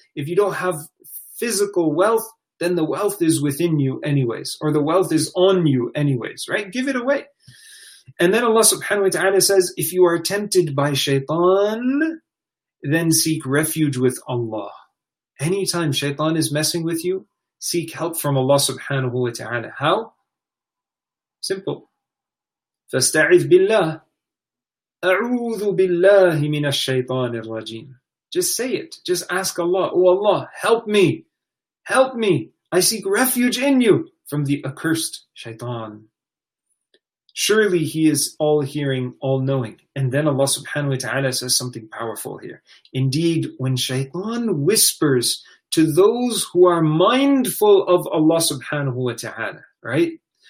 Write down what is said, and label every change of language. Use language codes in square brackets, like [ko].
[en] If you don't have physical wealth, then the wealth is within you anyways, or the wealth is on you anyways, right? Give it away. And then Allah subhanahu wa ta'ala says, if you are tempted by shaitan, then seek refuge with Allah. Anytime shaitan is messing with you, seek help from Allah subhanahu wa ta'ala. How? Simple. [ar] فَاسْتَعِذْ بِاللَّهِ أَعُوذُ بِاللَّهِ مِنَ الشَّيْطَانِ الرَّجِيمِ [en] Just say it. Just ask Allah, oh Allah, help me. Help me, I seek refuge in you from the accursed shaitan. Surely he is all-hearing, all-knowing. And then Allah subhanahu wa ta'ala says something powerful here. Indeed, when shaitan whispers to those who are mindful of Allah subhanahu wa ta'ala, right?